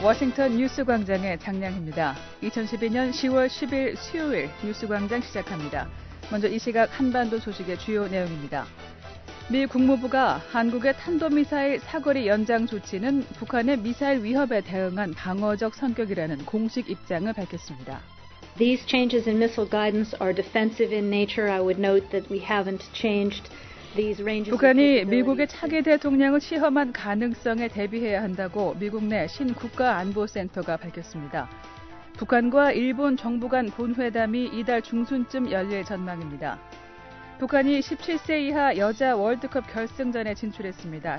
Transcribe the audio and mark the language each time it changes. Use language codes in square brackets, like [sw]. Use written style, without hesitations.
[ko] 워싱턴 뉴스 광장의 장량입니다. 2012년 10월 10일 수요일 뉴스 광장 시작합니다. 먼저 이 시각 한반도 소식의 주요 내용입니다. 미 국무부가 한국의 탄도미사일 사거리 연장 조치는 북한의 미사일 위협에 대응한 방어적 성격이라는 공식 입장을 밝혔습니다. [en] These changes in missile guidance are defensive in nature. I would note that we haven't changed these ranges. [ko] 북한이 미국의 차기 대통령을 시험한 가능성에 대비해야 한다고 미국 내 신국가안보센터가 밝혔습니다. 북한과 일본 정부 간 본회담이 이달 중순쯤 열릴 전망입니다. 북한이 17세 이하 여자 월드컵 결승전에 진출했습니다.